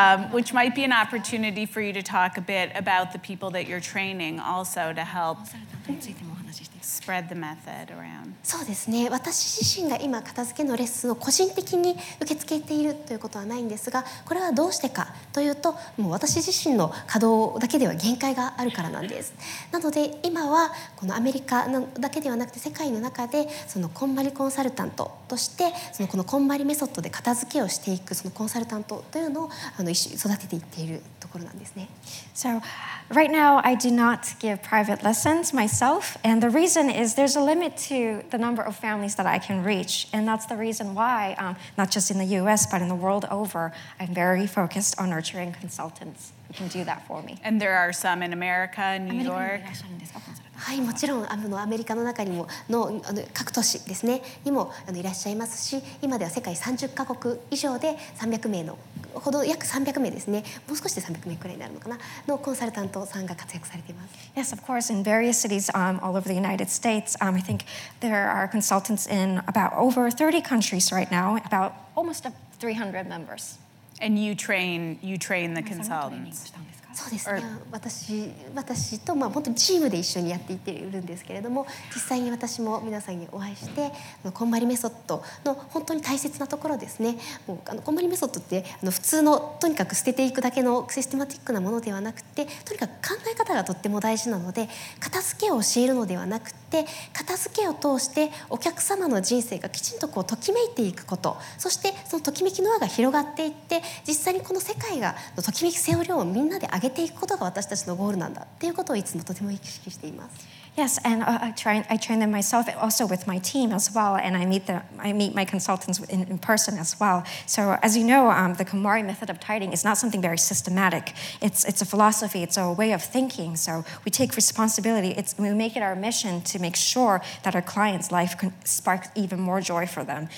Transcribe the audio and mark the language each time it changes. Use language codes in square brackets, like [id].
[en] Which might be an opportunity for you to talk a bit about the people that you're training also to help spread the method around. [ja] そうですね。私自身が今片付けのレッスンを個人的に受け付けているということはないんですが、これはどうしてかというと、もう私自身の稼働だけでは限界があるからなんです。なので今はこのアメリカのだけではなくて世界の中でそのコンマリコンサルタントとしてそのこのコンマリメソッドで片付けをしていくそのコンサルタントというのを一緒に育てていっているところなんですね。 [en] So right now I do not give private lessons myself, and the reason is there's a limit to the number of families that I can reach, and that's the reason why, not just in the U.S. but in the world over, I'm very focused on nurturing consultants who can do that for me. And there are some in America, New York. [ja] はい、もちろんアメリカの中にもの各都市ですねにもいらっしゃいますし、今では世界30カ国以上で300名のほど約300名ですね、もう少しで300名くらいになるのかなのコンサルタントさんが活躍されています。 [en] Yes, of course, in various cities all over the United States, I think there are consultants in about over 30 countries right now, about almost 300 members. And you train the consultants? [ja] そうですね。私と、まあ、本当にチームで一緒にやっていっているんですけれども、実際に私も皆さんにお会いして、こんまりメソッドの本当に大切なところですね。もうこんまりメソッドって普通のとにかく捨てていくだけのシステマティックなものではなくて、とにかく考え方がとっても大事なので、片付けを教えるのではなくて、片付けを通してお客様の人生がきちんとこうときめいていくこと、そしてそのときめきの輪が広がっていって、実際にこの世界がのときめき背負う量をみんなで上げていくことが私たちのゴールなんだっていうことをいつもとても意識しています。 [en] Yes, and I train them myself, also with my team as well, and I meet my consultants in person as well. So as you know, the Kumari method of tidying is not something very systematic. It's a philosophy, it's a way of thinking. So we take responsibility, we make it our mission to make sure that our clients' life can spark even more joy for them.